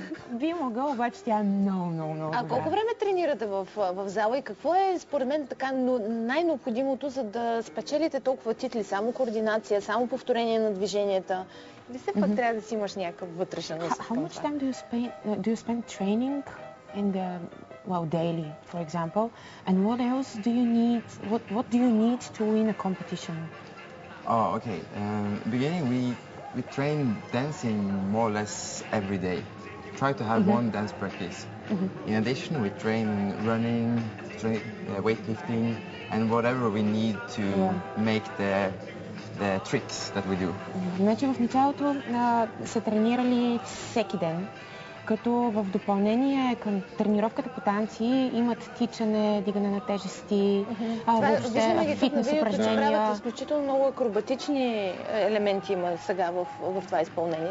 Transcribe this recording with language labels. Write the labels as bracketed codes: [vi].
[bg] Би могъл, обаче тя е много. А колко време тренирате в зала и какво е според мен така най-необходимото, за да спечелите толкова титли? Само координация, само повторение на движенията? Или все пак mm-hmm. трябва да си имаш някакъв вътрешен усет? [en] How much time do you spend training in the... Well, daily, for example. And what else do you need? What do you need to win a competition? Oh, okay. Beginning, we train dancing more or less every day. Try to have mm-hmm. one dance practice. Mm-hmm. In addition, we train running, weightlifting, and whatever we need to make the tricks that we do. [bg] Значи в началото се тренирали всеки ден, като в допълнение към тренировката по танци имат тичане, дигане на тежести, въобще фитнес упражнения. Правят изключително много акробатични елементи има сега в това изпълнение.